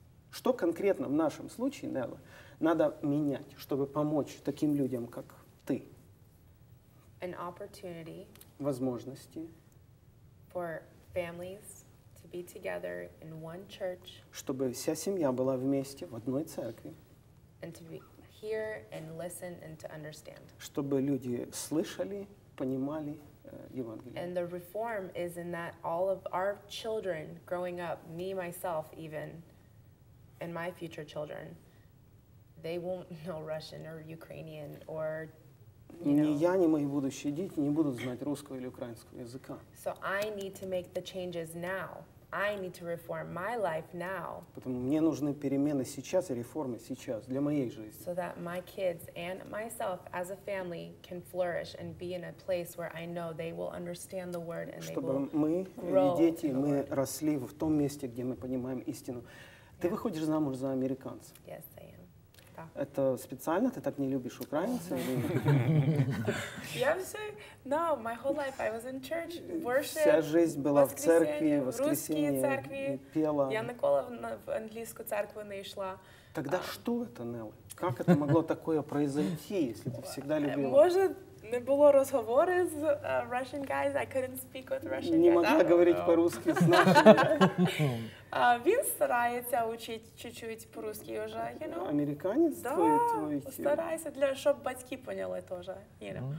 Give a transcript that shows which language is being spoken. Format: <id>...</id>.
<ru>Что конкретно в нашем случае, Нелла, надо менять, чтобы помочь таким людям, как ты?</ru> <en>An opportunity</en> <ru>возможности</ru> <en>for families to be together in one church,</en> <ru>чтобы вся семья была вместе в одной церкви,</ru> <en>and to be hear and listen and to understand,</en> <ru>чтобы люди слышали, понимали Евангелие.</ru> <en>And the reform is in that all of our children growing up, me myself even, and my future children, they won't know Russian or Ukrainian or</en> <ru>ни я, ни мои будущие дети не будут знать русского или украинского языка.</ru> <en>So I need to make the changes now. I need to reform my life now.</en> <ru>Поэтому мне нужны перемены сейчас и реформы сейчас для моей жизни.</ru> <en>So that my kids and myself as a family can flourish and be in a place where I know they will understand the word and</en> <ru>чтобы</ru> <en>they will grow.</en> <ru>Чтобы мы и дети, мы росли в том месте, где мы понимаем истину. Ты выходишь замуж за американца.</ru> <en>Yes, I am.</en> <ru>Это специально? Ты так не любишь украинцев? Вся жизнь была в церкви, в воскресенье, пела. Я никогда в английскую церковь не шла. Тогда что это, Нелли? Как это могло такое произойти, если ты всегда любила? Может, не было разговора с</ru> <en>Russian guys? I couldn't speak with Russian guys.</en> <ru>Не могла говорить по-русски с нашими.</ru> <uk>Він старається учити чуть-чуть по-русски вже,</uk> <en>you know?</en> <uk>Американець</uk> <ru>да,</ru> <uk>твій? Так, старається, для, щоб батьки поняли теж,</uk> <en>you know?</en>